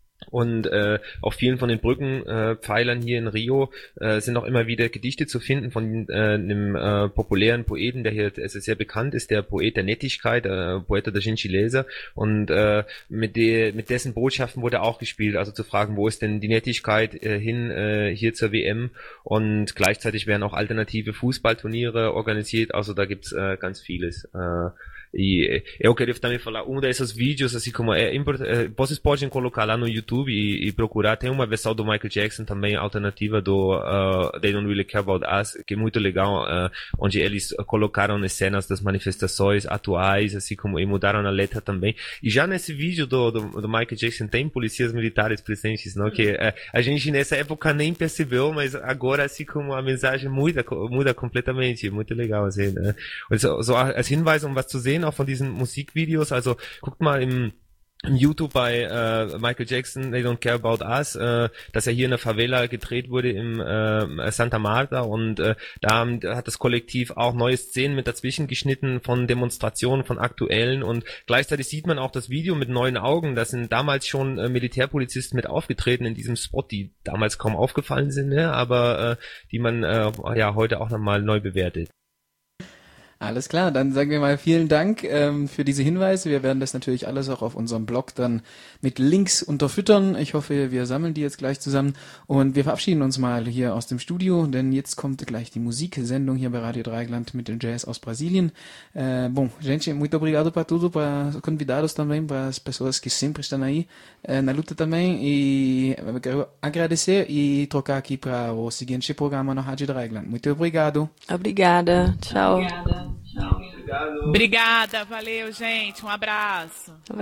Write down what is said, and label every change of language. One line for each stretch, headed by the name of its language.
German: Und auf vielen von den Brückenpfeilern hier in Rio sind auch immer wieder Gedichte zu finden von einem populären Poeten, der hier sehr bekannt ist, der Poet der Nettigkeit, Poeta da Gentileza. Und mit dessen Botschaften wurde auch gespielt, also zu fragen, wo ist denn die Nettigkeit hier zur WM. Und gleichzeitig werden auch alternative Fußballturniere organisiert, also da gibt's ganz vieles.
Portuguese: E eu queria também falar, um desses vídeos, assim como é importante, vocês podem colocar lá no YouTube e procurar, tem uma versão do Michael Jackson também, alternativa do They Don't Really Care About Us, que é muito legal, onde eles colocaram as cenas das manifestações atuais, assim como, e mudaram a letra também. E já nesse vídeo do Michael Jackson, tem policias militares presentes, não? Que a gente nessa época nem percebeu, mas agora, assim como, a mensagem muda completamente, muito legal, assim, né?
German: Also, als Hinweis, um was zu sehen, auch von diesen Musikvideos, also guckt mal im YouTube bei Michael Jackson, They Don't Care About Us, dass er hier in der Favela gedreht wurde im Santa Marta, und da hat das Kollektiv auch neue Szenen mit dazwischen geschnitten von Demonstrationen, von aktuellen, und gleichzeitig sieht man auch das Video mit neuen Augen, da sind damals schon Militärpolizisten mit aufgetreten in diesem Spot, die damals kaum aufgefallen sind, ne? Aber die man ja heute auch nochmal neu bewertet. Alles klar, dann sagen wir mal vielen Dank für diese Hinweise. Wir werden das natürlich alles auch auf unserem Blog dann mit Links unterfüttern. Ich hoffe, wir sammeln die jetzt gleich zusammen. Und wir verabschieden uns mal hier aus dem Studio, denn jetzt kommt gleich die Musiksendung hier bei Radio Dreigland mit dem Jazz aus Brasilien.
Portuguese: Bom, gente, muito obrigado para tudo, para os convidados também, para as pessoas que sempre estão aí na luta também. E quero agradecer e trocar aqui para o seguinte programa na Radio Dreigland. Muito obrigado. Obrigada, tchau. Obrigada. Tchau. Obrigado. Obrigada, valeu, gente. Um abraço.